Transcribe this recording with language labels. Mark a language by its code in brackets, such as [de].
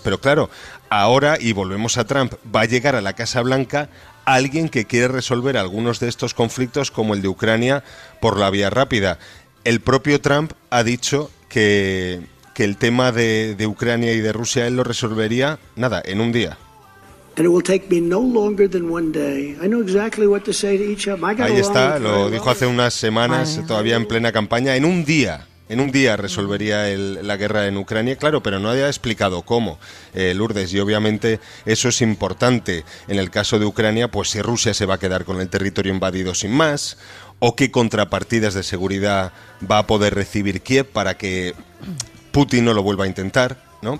[es] Pero claro, ahora, y volvemos a Trump, va a llegar a la Casa Blanca alguien que quiere resolver algunos de estos conflictos, como el de Ucrania, por la vía rápida. El propio Trump ha dicho que el tema de Ucrania y de Rusia él lo resolvería, nada, en un día. [en] And it will take me no longer than one day. I know exactly what to say to each of them. [es] Ahí está, lo dijo hace unas semanas, todavía en plena campaña. En un día resolvería la guerra en Ucrania, claro, pero no había explicado cómo, Lourdes. Y obviamente eso es importante en el caso de Ucrania, pues si Rusia se va a quedar con el territorio invadido sin más, o qué contrapartidas de seguridad va a poder recibir Kiev para que Putin no lo vuelva a intentar. ¿No?